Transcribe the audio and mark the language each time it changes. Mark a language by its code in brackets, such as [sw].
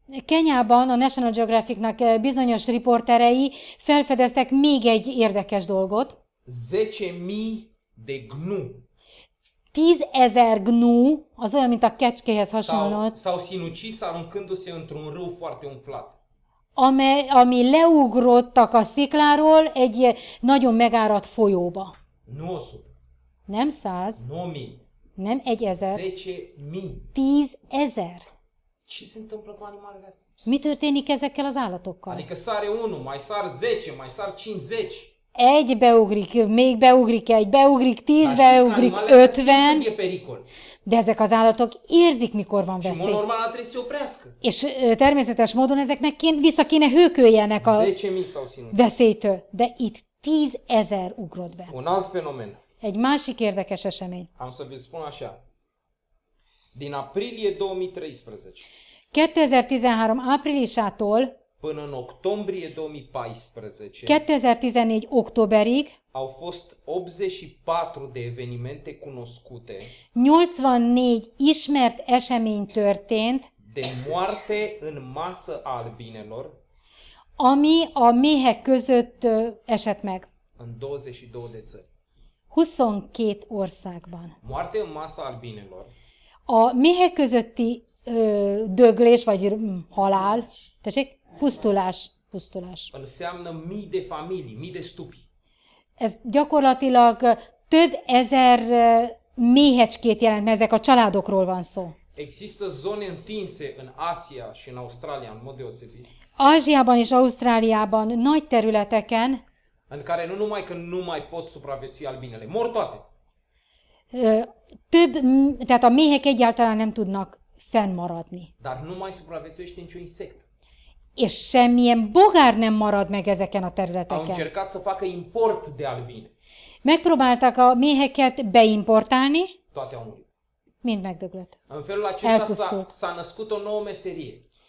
[hu] Kenyában a National Geographicnak bizonyos riporterei felfedeztek még egy érdekes dolgot. [ro] 10.000 de gnu. [hu] 10.000 gnu, az olyan, mint a kecskéhez hasonlott. [ro] S-au sinucis aruncându-se într-un râu foarte umflat. [hu] Ami leugrottak a szikláról egy nagyon megáradt folyóba. [ro] 900. [hu] Nem 100. [ro] 9.000. [hu] Nem 1.000. [ro] 10.000. [hu] 10.000. [ro] Ce se întâmplă cu animalele astea? [hu] Mi történik ezekkel az állatokkal? [ro] Adică sare unul, mai sar 10, mai sar 50. [hu] Egy beugrik, még beugrik egy, beugrik 10, beugrik 50. De ezek az állatok érzik, mikor van veszély. És természetes módon ezek meg vissza kéne hőköljenek a veszélytől. De itt 10.000 ugrott be. [ro] Un alt fenomen. [hu] Egy másik érdekes esemény. [ro] Am să vi-l spun așa. Din aprilie 2013. [hu] 2013 áprilisától [ro] până în octombrie 2014. [hu] 2014 októberig [ro] au fost 84 de evenimente cunoscute. [hu] 84 ismert esemény történt. [ro] De moarte în masă a albinelor. [hu] Ami a méhek között esett meg. [ro] În 22 de țări. [hu] 22 országban. [ro] Moarte în masă a albinelor. [hu] A méhek közötti döglés vagy halál. Tessék? Pusztulás, pusztulás. [ro] Înseamnă mii de familii, mii de stupi. [hu] Ez gyakorlatilag több ezer méhecskét jelent, mert ezek a családokról van szó. [ro] Există zone întinse în Asia și în Australia, în mod deosebit. [hu] Ázsiában és Ausztráliában, nagy területeken, [ro] în care nu numai că nu mai pot supraviețui albinele, mor toate. [hu] Több, tehát a méhek egyáltalán nem tudnak fennmaradni. [ro] Dar nu mai supraviețuiește niciun insect. [hu] És semmilyen bogár nem marad meg ezeken a területeken. [ro] Au încercat să facă import de albine. [hu] Megpróbáltak a méheket beimportálni. [ro] Toate au murit. [hu] Mind megdöglött. [ro] În felul acesta s-a născut o nouă meserie.